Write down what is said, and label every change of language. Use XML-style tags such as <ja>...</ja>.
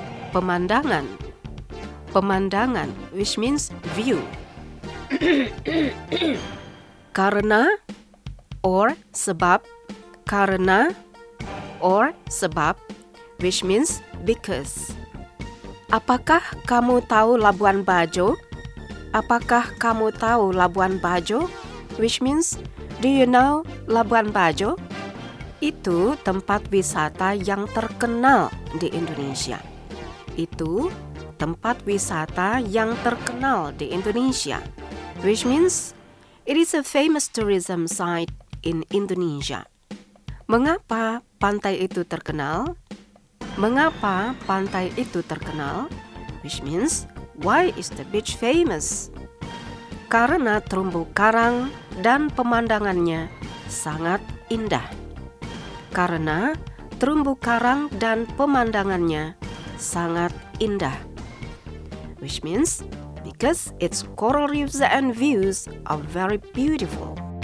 <en>Pemandangan, pemandangan, which means view. Karena, or sebab, karena, or sebab, which means because.</en> <id>Apakah kamu tahu Labuan Bajo? Apakah kamu tahu Labuan Bajo?</id> <en>Which means, do you know Labuan Bajo?</en> <id>Itu tempat wisata yang terkenal di Indonesia. Itu tempat wisata yang terkenal di Indonesia.</id> <en>Which means, it is a famous tourism site in Indonesia.</en> <id>Mengapa pantai itu terkenal? Mengapa pantai itu terkenal?</id> <en>Which means, why is the beach famous?</en> <id>Karena terumbu karang dan pemandangannya sangat indah. Karena terumbu karang dan pemandangannya sangat indah.</id> <en>Which means, because its coral reefs and views are very beautiful.</en>